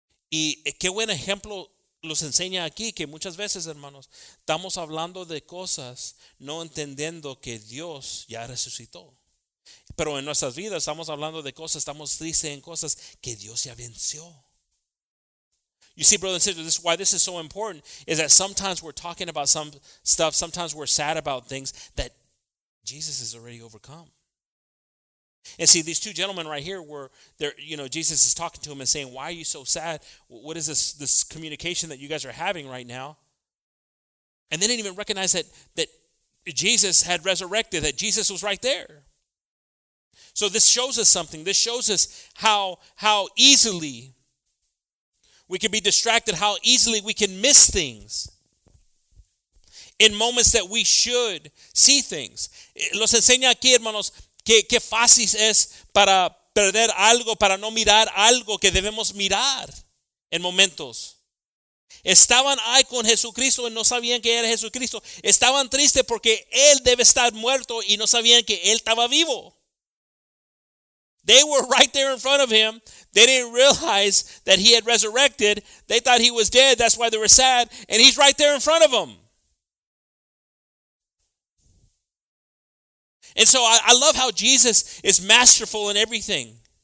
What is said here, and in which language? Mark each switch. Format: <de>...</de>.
<es>Y qué buen ejemplo los enseña aquí, que muchas veces, hermanos, estamos hablando de cosas no entendiendo que Dios ya resucitó. Pero en nuestras vidas estamos hablando de cosas, estamos tristes en cosas que Dios ya venció.</es> <en>You see, brothers and sisters, this is why this is so important, is that sometimes we're talking about some stuff, sometimes we're sad about things that Jesus has already overcome. And see, these two gentlemen right here Jesus is talking to them and saying, why are you so sad? What is this communication that you guys are having right now? And they didn't even recognize that Jesus had resurrected, that Jesus was right there. So this shows us something. This shows us how easily we can be distracted, how easily we can miss things in moments that we should see things.</en> <es>Los enseña aquí, hermanos, que fácil es para perder algo, para no mirar algo que debemos mirar en momentos. Estaban ahí con Jesucristo y no sabían que era Jesucristo. Estaban tristes porque Él debe estar muerto y no sabían que Él estaba vivo.</es> <en>They were right there in front of Him. They didn't realize that He had resurrected. They thought He was dead. That's why they were sad. And He's right there in front of them. And so I love how Jesus is masterful in everything.</en>